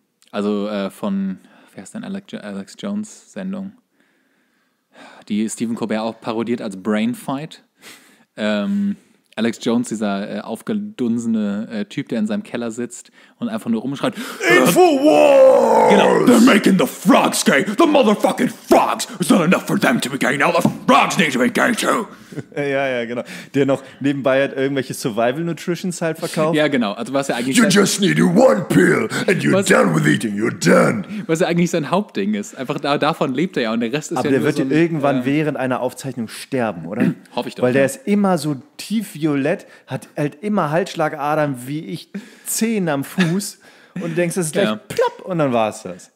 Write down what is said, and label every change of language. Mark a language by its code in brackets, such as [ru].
[de] Also wer ist denn Alex Jones Sendung? Die Stephen Colbert auch parodiert als Brain Fight. Alex Jones, dieser aufgedunsene Typ, der in seinem Keller sitzt und einfach nur rumschreit. Infowars! Genau. [en] They're making the frogs gay. The motherfucking frogs. It's not enough for them to be gay. Now the frogs need to be gay too. [de] Ja, genau. Der noch nebenbei hat irgendwelche Survival Nutrition halt verkauft. Ja, genau. Also was er eigentlich... [en] You just need one pill and you're done with eating. You're done. [de] Was ja eigentlich sein Hauptding ist. Einfach davon lebt er ja und der Rest ist aber ja... Aber der wird so irgendwann während einer Aufzeichnung sterben, oder? Hoffe ich doch. Weil der ist immer so tief violett, hat halt immer Halsschlagadern wie ich, Zehen am Fuß und denkst, das ist gleich plopp und dann war es das.